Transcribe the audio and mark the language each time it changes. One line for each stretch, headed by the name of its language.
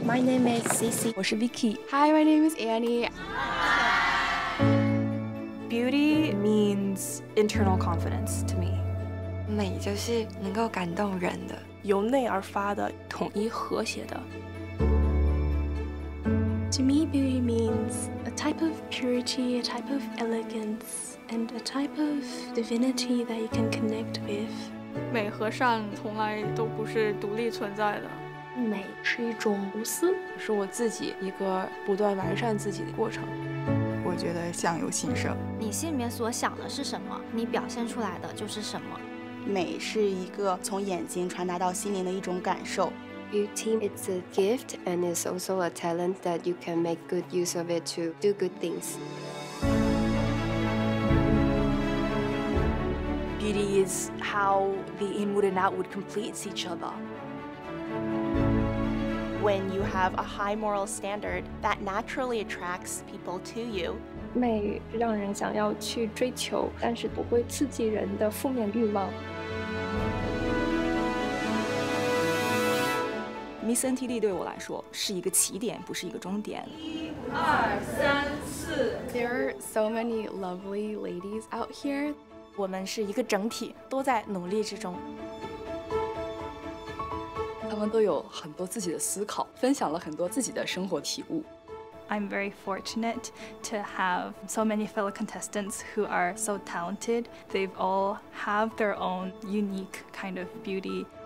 English: My name is Cici。
Chinese: 我是 Vicky。
English: Hi， my name is Annie。 Beauty means internal confidence to me。
Chinese: 美就是能够感动人的，由内而发的，统一和谐的。
English: To me, beauty means a type of purity, a type of elegance, and a type of divinity that you can connect with.
Chinese: 美和善从来都不是独立存在的。美是一种无私，是我自己一个不断完善自己的过程。我觉得相由心生。你心里面所想的是什么，你表现出来的就是什么。美是一个从眼睛传达到心灵的一种感受。
English: Beauty is a gift and is also a talent that you can make good use of it to do good things. Beauty is how the inward and outward completes each other. When you have a high moral standard, that naturally attracts people to you.
Chinese: 美让人想要去追求，但是不会刺激人的负面欲望。 Miss NTD 对我来说是一个起点，不是一个终点。一、二、三、四。
English: There are so many lovely ladies out here.
Chinese: 我们是一个整体，都在努力之中。他们都有很多自己的思考，分享了很多自己的生活体悟。
English: I'm very fortunate to have so many fellow contestants who are so talented. They've all have their own unique kind of beauty.